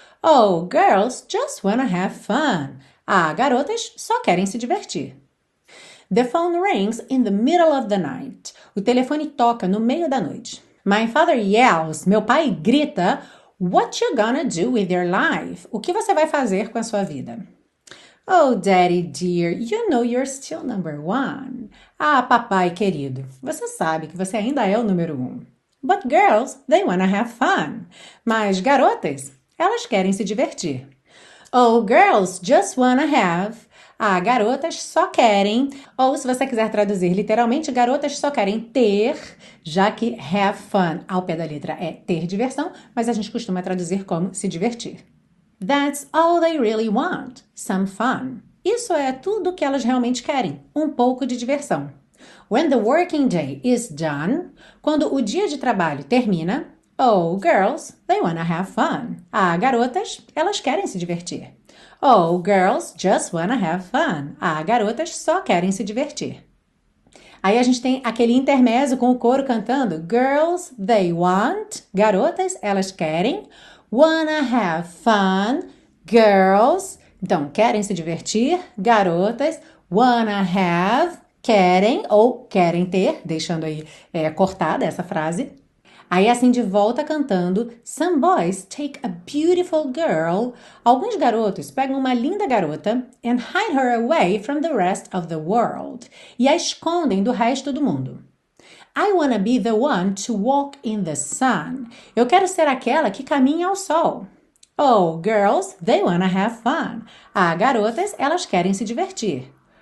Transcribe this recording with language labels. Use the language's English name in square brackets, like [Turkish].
[English] Oh, girls just wanna have fun. [Portuguese] Ah, garotas só querem se divertir. [English] The phone rings in the middle of the night. [Portuguese] O telefone toca no meio da noite. [English] My father yells, [Portuguese] meu pai grita, [English] what you gonna do with your life? [Portuguese] O que você vai fazer com a sua vida? [English] Oh, daddy dear, you know you're still number one. [Portuguese] Ah, papai querido, você sabe que você ainda é o número um. [English] But girls, they wanna have fun. [Portuguese] Mas garotas, elas querem se divertir. [English] Oh, girls, just wanna have. [Portuguese] Ah, garotas só querem. Ou se você quiser traduzir literalmente, garotas só querem ter, já que [English] have fun [Portuguese] ao pé da letra é ter diversão, mas a gente costuma traduzir como se divertir. [English] That's all they really want, some fun. [Portuguese] Isso é tudo que elas realmente querem, um pouco de diversão. [English] When the working day is done, [Portuguese] quando o dia de trabalho termina, [English] oh, girls, they wanna have fun. [Portuguese] Ah, garotas, elas querem se divertir. [English] Oh, girls, just wanna have fun. [Portuguese] Ah, garotas só querem se divertir. Aí a gente tem aquele intermezzo com o coro cantando, [English] girls, they want, [Portuguese] garotas, elas querem. [English] Wanna have fun, girls, [Portuguese] então querem se divertir, garotas, [English] wanna have, [Portuguese] querem ou querem ter, deixando aí cortada essa frase. Aí assim de volta cantando: [English] Some boys take a beautiful girl. [Portuguese] Alguns garotos pegam uma linda garota [English] and hide her away from the rest of the world. [Portuguese] E a escondem do resto do mundo. [English] I wanna be the one to walk in the sun. [Portuguese] Eu quero ser aquela que caminha ao sol. [English] Oh, girls, they wanna have fun. [Portuguese] Ah, garotas, elas querem se divertir.